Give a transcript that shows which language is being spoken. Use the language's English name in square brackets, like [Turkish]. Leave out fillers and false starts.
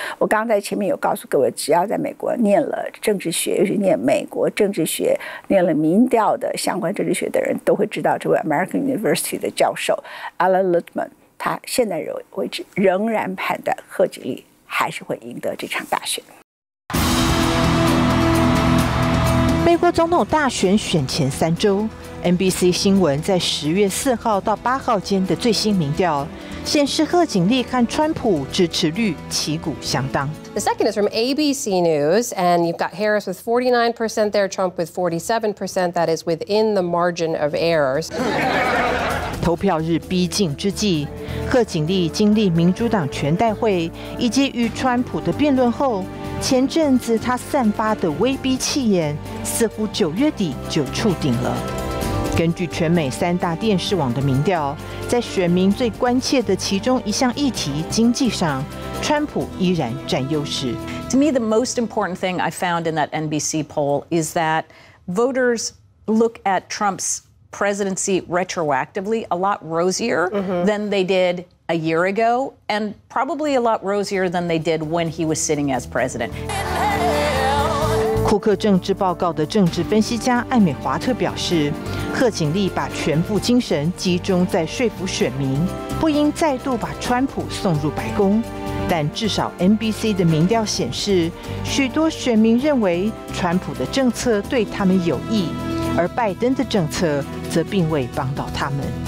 [Chinese] 我刚在前面有告诉各位，只要在美国念了政治学，尤其念美国政治学，念了民调的相关政治学的人，都会知道这位 American University 的教授 Alan Littman， 他现在为止仍然判断贺锦丽还是会赢得这场大选。美国总统大选选前三周， NBC 新闻在10月4号到8号间的最新民调显示，贺锦丽和川普支持率旗鼓相当。 [English] The second is from ABC News, and you've got Harris with 49% there, Trump with 47%. That is within the margin of errors. [Chinese] 投票日逼近之际，贺锦丽经历民主党全代会以及与川普的辩论后，前阵子他散发的威逼气焰似乎9月底就触顶了。根据全美三大电视网的民调，在选民最关切的其中一项议题经济上，川普依然占优势。 [English] To me, the most important thing I found in that NBC poll is that voters look at Trump's presidency retroactively a lot rosier than they did a year ago, and probably a lot rosier than they did when he was sitting as president. [Chinese] 库克政治报告的政治分析家艾美华特表示，贺锦丽把全部精神集中在说服选民，不应再度把川普送入白宫。但至少 NBC 的民调显示，许多选民认为川普的政策对他们有益，而拜登的政策则并未帮到他们。